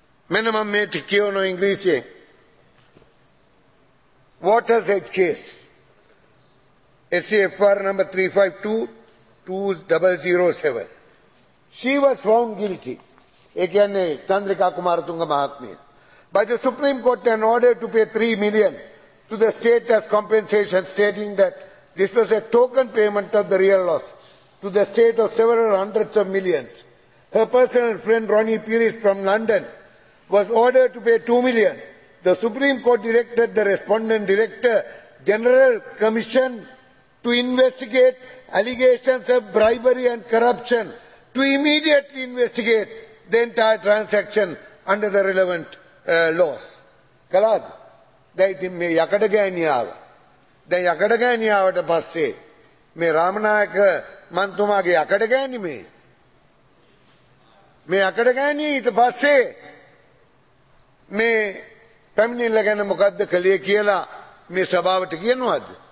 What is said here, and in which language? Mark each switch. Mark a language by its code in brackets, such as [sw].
[si] මෙන්න මම මේ ටික කියවන ඉංග්‍රීසියෙන්. [en] Waters Edge case SAFR number 352-2007. She was found guilty. [si] ඒ කියන්නේ චන්ද්‍රිකා කුමාරතුංග මහත්මිය. [en] By the Supreme Court, an order to pay $3 million to the state as compensation, stating that this was a token payment of the real loss to the state of several hundreds of millions. Her personal friend Ronnie Pierce from London was ordered to pay $2 million. The Supreme Court directed the respondent director general commission to investigate allegations of bribery and corruption, to immediately investigate the entire transaction under the relevant laws. [si] Kalad, දැන් මේ යකඩ ගෑණියාව, දැන් යකඩ ගෑණියාවට පස්සේ මේ රාමනායක මන්තුමාගේ යකඩ ගෑණි මේ යකඩ ගෑණි ඊට පස්සේ මේ පැමිණිල්ල ගැන මොකද්ද කළේ කියලා මේ සභාවට කියනවාද?